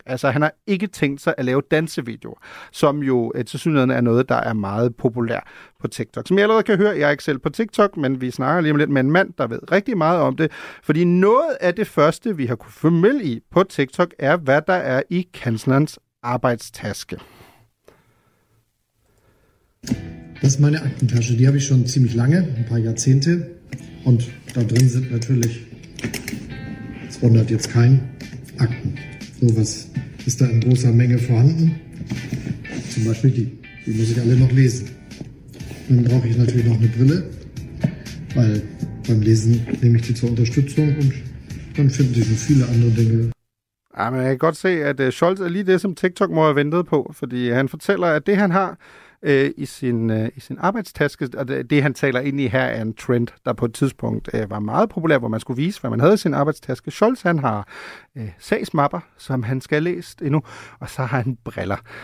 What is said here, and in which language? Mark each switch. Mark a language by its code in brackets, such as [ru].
[da] Altså, han har ikke tænkt sig at lave dansevideoer, som jo tilsyneladende er noget, der er meget populært på TikTok. Som I allerede kan høre, jeg er ikke selv på TikTok, men vi snakker lige om lidt med en mand, der ved rigtig meget om det. Fordi noget af det første, vi har kunne følge med i på TikTok, er, hvad der er i kanslerens arbejdstaske. [de] Das ist meine Aktentasche. Die habe ich schon ziemlich lange, ein paar Jahrzehnte. Und da drin sind natürlich, es wundert jetzt kein, Akten. Sowas ist da in großer Menge vorhanden. Zum Beispiel die. Die muss ich alle noch lesen. Dann brauche ich natürlich noch eine Brille, weil beim Lesen nehme ich die zur Unterstützung und dann finden sich noch viele andere Dinge. [da] Ja, man kan godt se, at Scholz er lige det, som TikTok må have ventet på, fordi han fortæller, at det, han har i sin arbejdstaske, og det, han taler ind i her, er en trend, der på et tidspunkt var meget populær, hvor man skulle vise, hvad man havde i sin arbejdstaske. Scholz, han har sagsmapper, som han skal have læst endnu, og så har han briller.